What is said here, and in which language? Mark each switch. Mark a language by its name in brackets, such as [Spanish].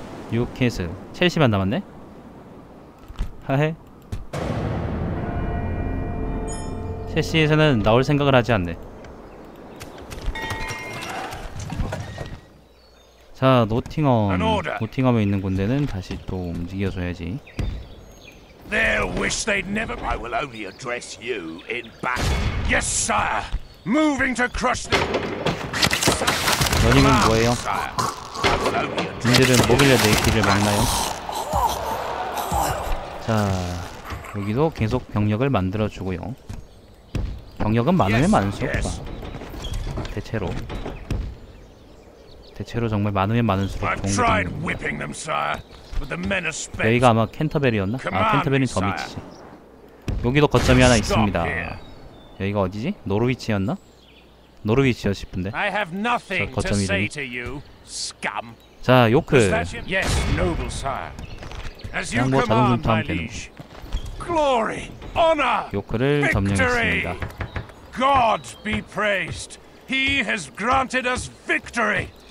[Korean] 뉴캐슬 첼시만 남았네. 하해. 첼시에서는 나올 생각을 하지 않네. 자 노팅엄. 노팅엄에 있는 군대는 다시 또 움직여줘야지. [English] They'll wish they'd never. I will only address you in battle. Yes, sire. Moving to crush them. [Korean] 너님은 뭐예요? 님들은 모빌레 네이키를 막나요? 자 여기도 계속 병력을 만들어주고요. 병력은 많으면 많을수록 좋아. 대체로 정말 많으면 많을수록 좋은 것입니다. 여기가 아마 켄터베리였나? 아 켄터베리는 더 미치지. 여기도 거점이 하나 있습니다. 여기가 어디지? 노르위치였나? 노르위치여 싶은데. 저 거점 이름이. 자, 요크. 그냥 뭐 자동 분투하면 되는 거. 요크를 점령했습니다. [English] God be praised. He has granted us victory.